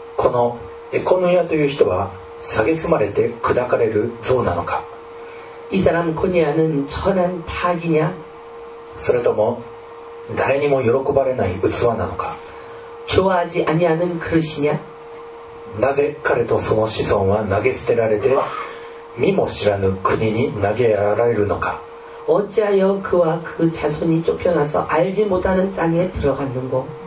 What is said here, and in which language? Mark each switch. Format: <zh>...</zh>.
<ja>のエコノヤという人は蔑まれて砕かれる像なのか。</ja> <ko>이사람코니아는천한팍이냐？</ko> <ja>それとも誰にも喜ばれない器なのか？</ja> <ko>좋아하지아니하는그릇이냐？</ko> <ja>なぜ彼とその子孫は投げ捨てられて見も知らぬ国に投げやられるのか？</ja> <ko>어찌하여그와그자손이쫓겨나서알지못하는땅에들어갔는고？</ko>